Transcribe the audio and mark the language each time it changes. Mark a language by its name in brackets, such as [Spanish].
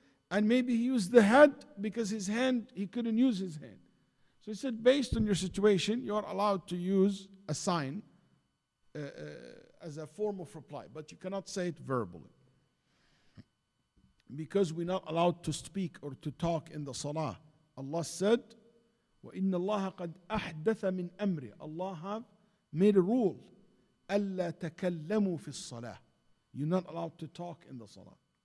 [English] And maybe he used the head because his hand, he couldn't use his hand. So he said, based on your situation, you are allowed to use a sign as a form of reply, but you cannot say it verbally. Because we're not allowed to speak or to talk in the salah. Allah said, [Arabic] وَإِنَّ اللَّهَ قَدْ أَحْدَثَ مِنْ أَمْرِ. [English] Allah have made a rule. [Arabic] أَلَّا تَكَلَّمُوا فِي الصَّلَاةِ. [English] You're not allowed to talk in the salah.